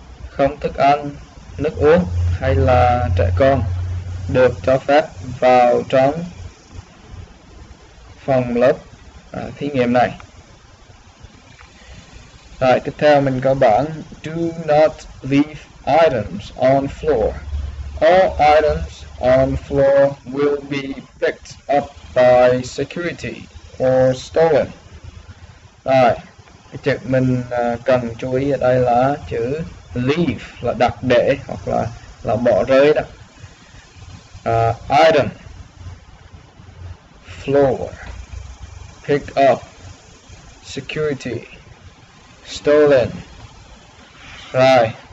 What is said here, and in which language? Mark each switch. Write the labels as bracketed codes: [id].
[vi] Không thức ăn, nước uống hay là trẻ con được cho phép vào trong phòng lớp thí nghiệm này. Rồi tiếp theo mình có bảng [en] do not leave items on floor. All items on floor will be picked up by security or stolen. [vi] Rồi, chữ mình cần chú ý ở đây là chữ leave là đặt để hoặc là bỏ rơi đó. [en] Item floor pick up security stolen. [vi] Rồi.